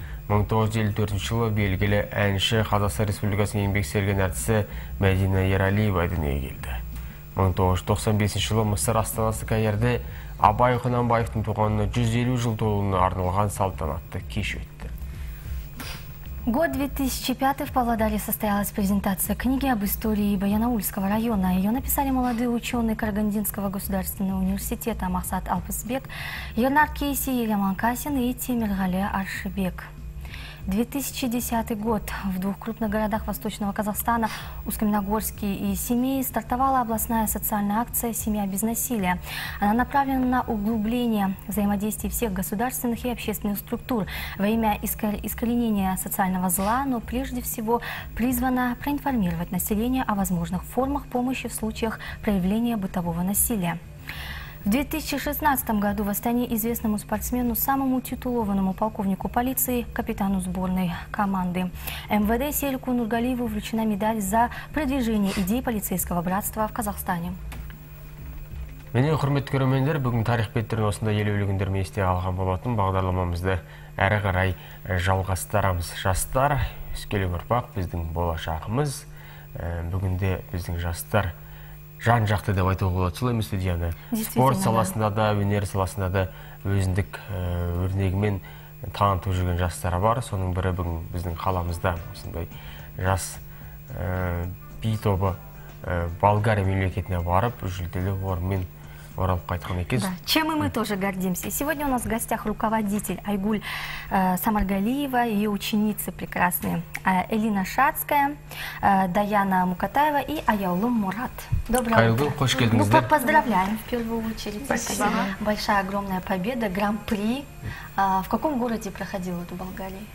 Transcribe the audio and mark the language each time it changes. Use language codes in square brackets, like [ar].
[kk] 1954 жылы белгілі әнші Қазақстан Республикасының еңбек сіңірген әртісі Мәдина Ералиева дүниеге келді. 1995 жылы Мысыр астанасы Каирде Абай Құнанбаевтың туғанына 150 жыл толуына арналған салтанатты кеш өтті. [ru] Год 2005 в Павлодаре состоялась презентация книги об истории Баянаульского района. Ее написали молодые ученые Карагандинского государственного университета Махсат Алпысбек, Ернар Кейси, Еламан Касин и Темиргали Аршыбек. 2010 год. В двух крупных городах Восточного Казахстана, Усть-Каменогорске и Семей, стартовала областная социальная акция «Семья без насилия». Она направлена на углубление взаимодействия всех государственных и общественных структур во имя искоренения социального зла, но прежде всего призвана проинформировать население о возможных формах помощи в случаях проявления бытового насилия. В 2016 году в Астане известному спортсмену, самому титулованному полковнику полиции, капитану сборной команды МВД Серику Нургалиеву вручена медаль за продвижение идей полицейского братства в Казахстане. [kk] Менің құрметті көрермендер, бүгін тарих беттерін осында елеулі күндер мен есте алған болатын бағдарламамызды әрі қарай жалғастырамыз. Жастар, өскелең ұрпақ, біздің болашағымыз. Бүгінде біздің жастар жан жақты деп айтуға болады, солай емес пе, Диана? Спорт саласында да, өнер саласында да өзіндік өрнегімен танытып жүрген жастар бар. Соның бірі бүгін біздің қаламызда осындай жас би тобы Болгария мемлекетіне барып, жүлделі орынмен оралып қайтқан екен. [ru] Да, чем мы тоже гордимся. Сегодня у нас в гостях руководитель Айгуль Самаргалиева, ее ученицы прекрасные Элина Шацкая, Даяна Мукатаева и Аяулым Мурат. Доброе утро. [kk] Хош келдіңіздер. [ru] Ну, поздравляем в первую очередь. Спасибо. Большая огромная победа, гран-при. В каком городе проходил это в Болгарии?